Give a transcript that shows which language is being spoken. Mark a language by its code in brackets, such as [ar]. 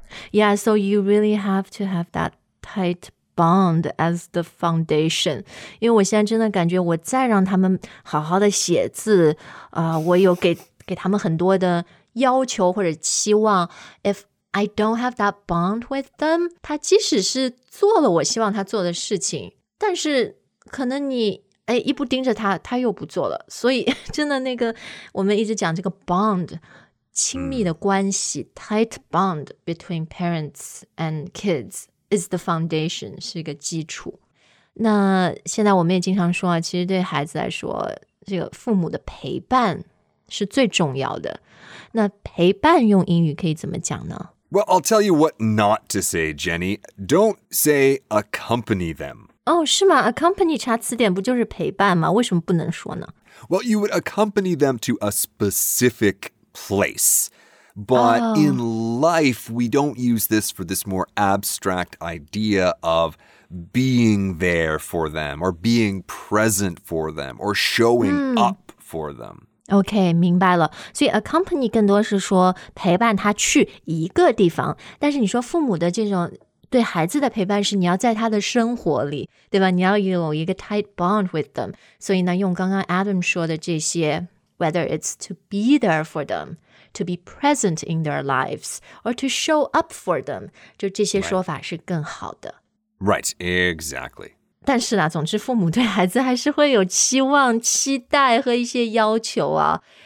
[en] Yeah, so you really have to have that tight. Bond as the foundation. [zh] 因为我现在真的感觉我再让他们好好的写字、我有 给他们很多的要求或者期望。 [en] If I don't have that bond with them, [zh] 他即使是做了我希望他做的事情，但是可能你哎一不盯着他，他又不做了。所以真的那个我们一直讲这个 bond, 亲密的关系、 [en] tight bond between parents and kids. Is the foundation, [zh] 是一个基础。那现在我们也经常说啊，其实对孩子来说，这个父母的陪伴是最重要的。那陪伴用英语可以怎么讲呢？ [en] Well, I'll tell you what not to say, Jenny. Don't say accompany them. [zh] 哦，是吗？Accompany 查词典不就是陪伴吗？为什么不能说呢？ [en] Well, you would accompany them to a specific place. But in life, we don't use this for this more abstract idea of being there for them or being present for them or showing up for them. [zh] Okay, 明白了。所以 accompany 更多是说陪伴他去一个地方。但是你说父母的这种对孩子的陪伴是你要在他的生活里，对吧？你要有一个 [en] tight bond with them. [zh] 所以呢，用刚刚 Adam 说的这些 [en] whether it's to be there for them, to be present in their lives, or to show up for them. [zh] 就这些说法是更好的。 [en] Right, exactly. [zh] 但是啦，总之父母对孩子还是会有期望、期待和一些要求啊。